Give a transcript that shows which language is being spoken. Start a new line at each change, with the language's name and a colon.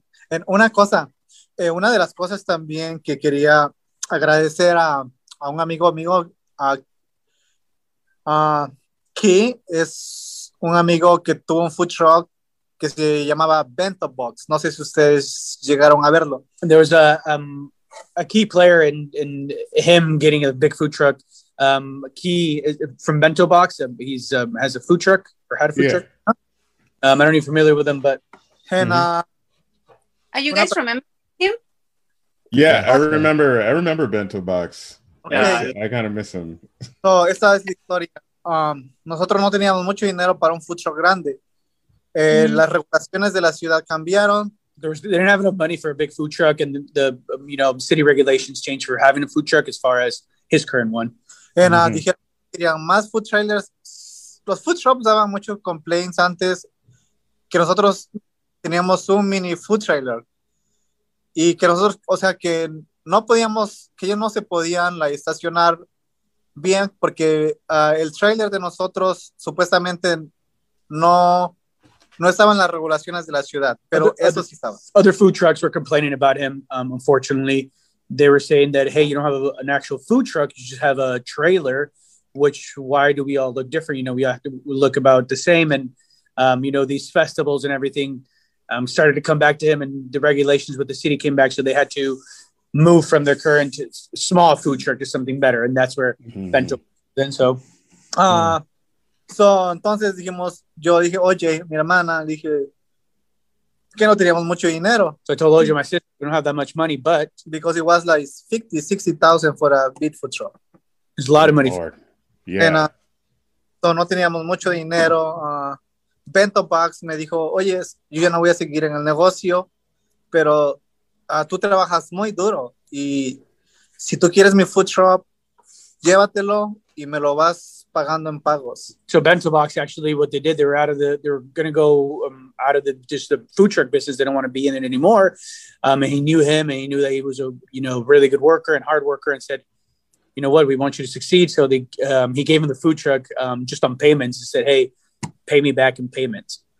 Spanish: En una cosa, una de las cosas también que quería agradecer a un amigo, a Key, es un amigo que tuvo un food truck que se llamaba Bento Box. No sé si ustedes llegaron a verlo.
English: There was a key player in him getting a big food truck. Key from Bento Box, he's has a food truck, or had a food truck. I don't know if you're familiar with him, but are you guys remember him? Yeah, I remember Bento Box. Okay. I kind of miss him.
Spanish: So, esta es la historia. Nosotros no teníamos mucho dinero para un food truck grande. Las regulaciones de la ciudad cambiaron.
English: They didn't have enough money for a big food truck, and the you know, city regulations changed for having a food truck as far as his current one.
Spanish: And dijeron querían más food trailers. Los food trucks daban mucho complaints antes que nosotros teníamos un mini food trailer, y que nosotros, o sea, que no podíamos, que ellos no se podían la estacionar bien, porque el trailer de nosotros supuestamente no estaban las regulaciones de la ciudad, pero eso sí estaba.
English: Other food trucks were complaining about him. Unfortunately, they were saying that, hey, you don't have an actual food truck, you just have a trailer, which, why do we all look different? You know, we have to look about the same. And, you know, these festivals and everything started to come back to him, and the regulations with the city came back, so they had to move from their current small food truck to something better, and that's where Bento was. And so...
Spanish: So, entonces dijimos, yo dije, oye, mi hermana, dije, que no teníamos mucho dinero.
English: So I told Oje, my sister, we don't have that much money, but... Because it was like $50,000-$60,000 for a big food truck. It's a lot of money. And,
Spanish: so no teníamos mucho dinero. Bento Box me dijo, oye, yo ya no voy a seguir en el negocio, pero tú trabajas muy duro y si tú quieres mi food truck, llévatelo y me lo vas pagando en pagos.
English: So Bento Box, actually, what they did, they were going to go out of the food truck business. They don't want to be in it anymore. And he knew him and he knew that he was a, you know, really good worker and hard worker and said, you know what, we want you to succeed. So they, he gave him the food truck just on payments and said, hey, pay me back in payments.